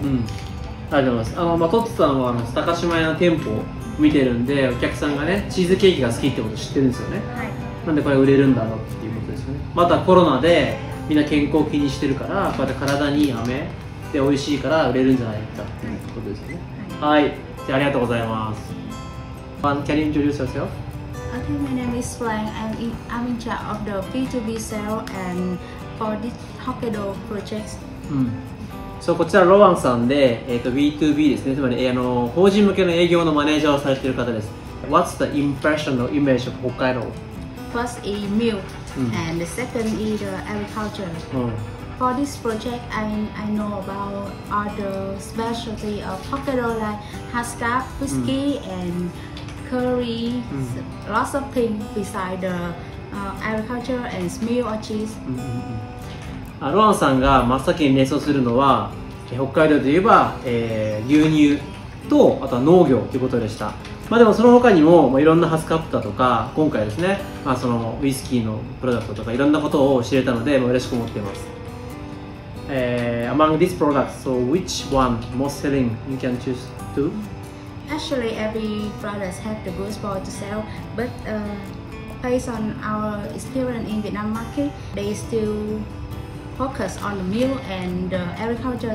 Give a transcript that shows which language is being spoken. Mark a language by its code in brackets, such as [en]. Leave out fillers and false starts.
[ja] うん、ありがとうございます。あの、まあ、トッツさんはあの高島屋の店舗を見てるんで、お客さんがね、チーズケーキが好きってこと知ってるんですよね、はい、なんでこれ売れるんだろうっていうことですよね。またコロナでみんな健康を気にしてるから、こうやって体にいい飴で美味しいから売れるんじゃないかっていうことですよね、はいはい、じゃありがとうございます。 [en] Can you introduce yourself? Okay, my name is Frank. I'm in charge of the B2B sale and for this Hokkaido project. [ja] So, こちらロワンさんで、B2B ですね。つまり、法人向けの営業のマネージャーをされている方です。 [en] What's the impression or image of Hokkaido? First is milk, and the second is the agriculture. For this project, I know about all the specialty of Hokkaido like Haska, whiskey, and curry, lots of things besides the agriculture and smell of cheese. [ja] ロアンさんが真っ先に連想するのは、北海道といえば、牛乳と、あとは農業ということでした。まあ、でもその他にも、まあ、いろんなハスカプタとか、今回ですね、まあ、そのウイスキーのプロダクトとかいろんなことを知れたので、まあ、嬉しく思っています。 [en] Among these products, so which one most selling you can choose to? Actually, every product has the good spot to sell, but based on our experience in Vietnam market, they still focus on the meal and the agriculture.